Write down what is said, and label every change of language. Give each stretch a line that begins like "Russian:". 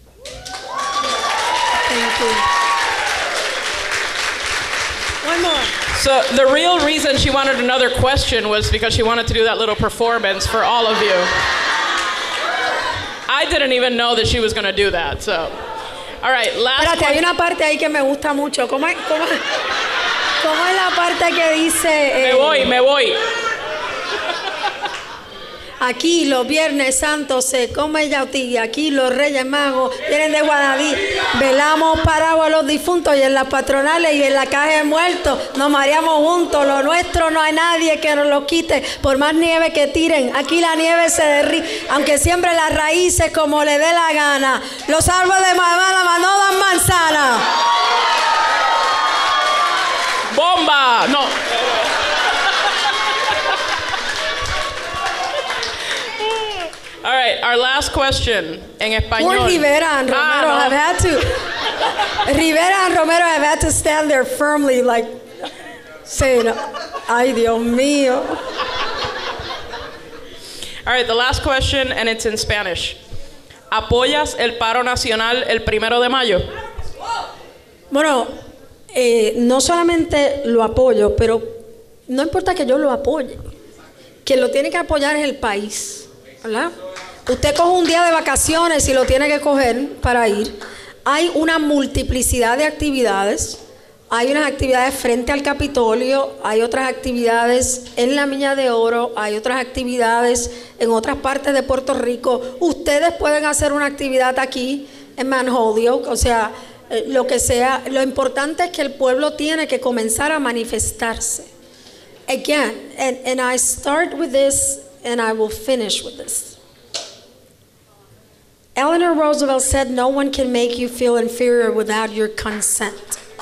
English: Thank you. One more. So the real reason she wanted another question was because she wanted to do that little performance for all of you. I didn't even know that she was going to do that. So, all right, last.
Spanish: Espérate, hay una parte ahí que me gusta mucho. ¿Cómo es la parte que dice? Me voy. Aquí los Viernes Santos se come yautía. Aquí los Reyes Magos vienen de Guadaví. Velamos parados a los difuntos y en las patronales y en la caja de muertos nos mareamos juntos. Lo nuestro no hay nadie que nos lo quite. Por más nieve que tiren, aquí la nieve se derrite. Aunque siembre las raíces como le dé la gana. Los árboles de Madama no dan manzana. ¡Bomba! No.
English: All right, our last question in español. Poor Rivera and Romero have had to. Rivera and Romero have had to stand there firmly, like saying,
Spanish: "Ay, Dios mío."
English: All right, the last question, and it's in Spanish.
Spanish: ¿Apoyas el paro nacional el primero de mayo? Bueno, no solamente lo apoyo, pero no importa que yo lo apoye. Quien lo tiene que apoyar es el país, ¿verdad? Usted coge un día de vacaciones y lo tiene que coger para ir. Hay una multiplicidad de actividades. Hay unas actividades frente al Capitolio, hay otras actividades en la Mina de Oro, hay otras actividades en otras partes de Puerto Rico. Ustedes pueden hacer una actividad aquí en Holyoke, o sea, lo que sea. Lo importante es que el pueblo tiene que comenzar a manifestarse.
English: Again, and I start with this and I will finish with this. Eleanor Roosevelt said, "No one can make you feel inferior without your consent."